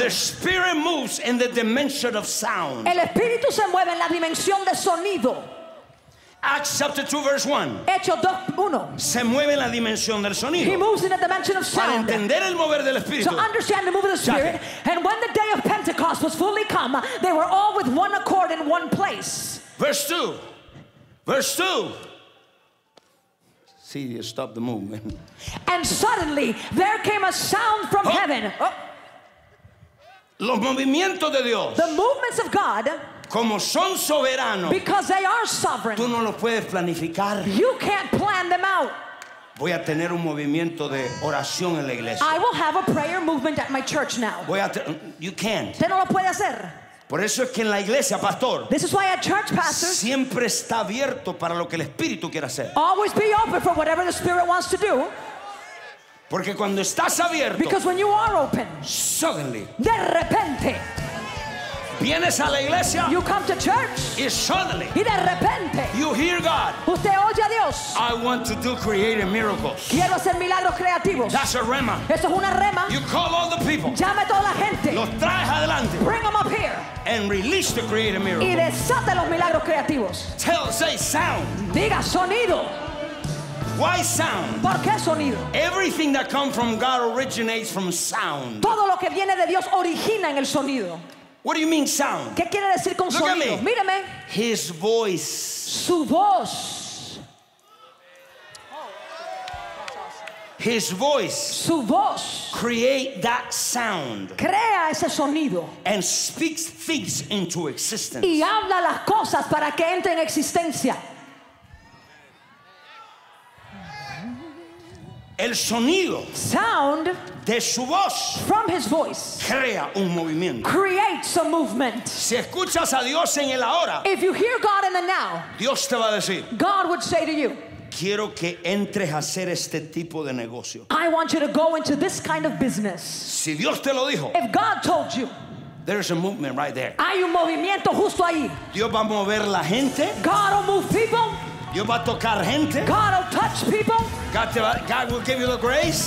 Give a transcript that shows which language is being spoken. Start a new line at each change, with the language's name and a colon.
English: The spirit moves in the dimension of sound.
Spanish: El espíritu se mueve en la dimensión de sonido.
English: Acts chapter 2 verse 1.
Spanish: Hechos 2, 1. Se mueve en la dimensión del sonido.
English: He moves in the dimension of sound.
Spanish: Para entender el mover del espíritu.
English: To understand the move of the spirit. And when the day of Pentecost was fully come, they were all with one accord in one place. Verse 2. Verse 2. See, you stop the movement. And suddenly there came a sound from oh. heaven.
Spanish: Los movimientos de Dios.
English: The movements of God.
Spanish: Como son soberanos.
English: Because they are sovereign.
Spanish: Tú no los puedes planificar.
English: You can't plan them out.
Spanish: Voy a tener un movimiento de oración en la iglesia.
English: I will have a prayer movement at my church now. You can't.
Spanish: Usted no lo puede hacer. Por eso es que en la iglesia, pastor,
English: this is why at church, pastor,
Spanish: siempre está abierto para lo que el Espíritu quiere hacer.
English: Always be open for whatever the Spirit wants to do.
Spanish: Porque cuando estás abierto,
English: because when you are open, suddenly,
Spanish: de repente, vienes a la iglesia,
English: you come to church,
Spanish: y
English: suddenly,
Spanish: y de repente,
English: you hear God,
Spanish: usted oye a Dios,
English: I want to do creative miracles,
Spanish: quiero hacer milagros creativos,
English: that's a rema,
Spanish: eso es una rema,
English: you call all the people,
Spanish: llame toda la gente, los traes adelante,
English: bring them up here, and release the creative miracle,
Spanish: y desate los milagros creativos,
English: tell, say sound,
Spanish: diga sonido.
English: Why sound?
Spanish: ¿Por qué sonido?
English: Everything that comes from God originates from sound.
Spanish: Todo lo que viene de Dios origina en el sonido.
English: What do you mean sound?
Spanish: ¿Qué quiere decir con
English: look
Spanish: sonido?
English: At me.
Spanish: Míreme.
English: His voice.
Spanish: Su voz.
English: His voice.
Spanish: Su voz.
English: Create that sound.
Spanish: Crea ese sonido.
English: And speaks things into existence.
Spanish: Y habla las cosas para que entren en existencia. El sonido
English: sound
Spanish: de su voz
English: from his voice
Spanish: crea un movimiento.
English: Creates a movement.
Spanish: Si escuchas a Dios en el ahora,
English: if you hear God in the now,
Spanish: Dios te va a decir,
English: God would say to you,
Spanish: quiero que entres a hacer este tipo de negocio.
English: I want you to go into this kind of business.
Spanish: Si Dios te lo dijo,
English: if God told you, there is a movement right there.
Spanish: Hay un movimiento justo ahí. Dios va a mover la gente.
English: God will move people.
Spanish: Dios va a tocar gente.
English: God will touch people. God will give you the grace.